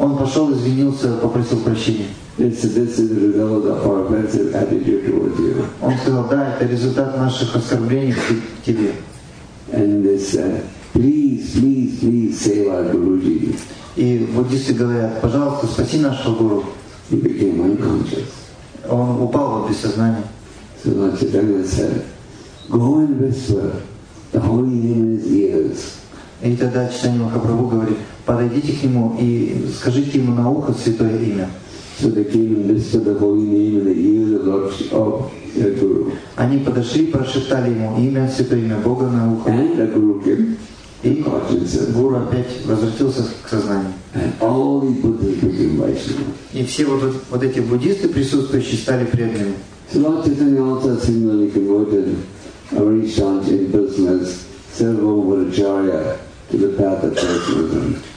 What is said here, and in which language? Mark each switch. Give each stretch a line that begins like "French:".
Russian: Он пошел, извинился, попросил прощения. Он сказал, да, это результат наших оскорблений к тебе.
English: And they said, please save our Guruji.
Russian: И буддисты говорят, пожалуйста, спаси нашего гуру.
English: He became unconscious.
Russian: Он упал в бессознание.
English: So Lord Chaitanya said, go and whisper the holy name in his ears.
Russian: И тогда Чайтанья Махапрабху говорит, подойдите к нему и скажите ему на ухо святое имя.
English: So they came and whispered the holy name in the ears of the Guru.
Russian: Они подошли и прошептали ему имя святое имя Бога на ухо.
English: And the Guru came.
Russian: И Гуру опять возвратился к сознанию.
English: And all the Buddhists became Vaishnava.
Russian: И все вот эти буддисты присутствующие стали преданными.
English: So Lord Chaitanya also similarly converted Arishant in person as Sarvamacharya to the path of Vaishnavism.